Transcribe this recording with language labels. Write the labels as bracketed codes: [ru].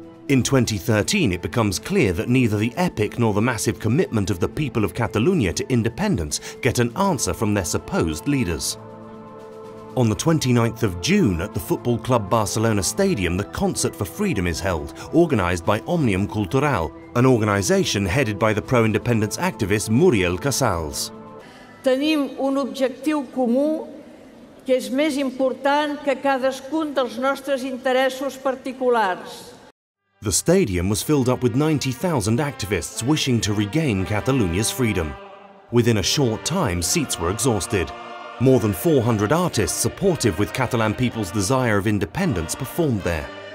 [en] In 2013, it becomes clear that neither the epic nor the massive commitment of the people of Catalunya to independence get an answer from their supposed leaders. On the 29th of June, at the Football Club Barcelona Stadium, the Concert for Freedom is held, organized by Òmnium Cultural, an organization headed by the pro-independence activist Muriel Casals. [ca] Tenim un objectiu comú que és més important que cadascun dels nostres interessos particulars. [en] The stadium was filled up with 90,000 activists wishing to regain Catalunya's freedom. Within a short time, seats were exhausted. More than 400 artists supportive with Catalan people's desire of independence performed there.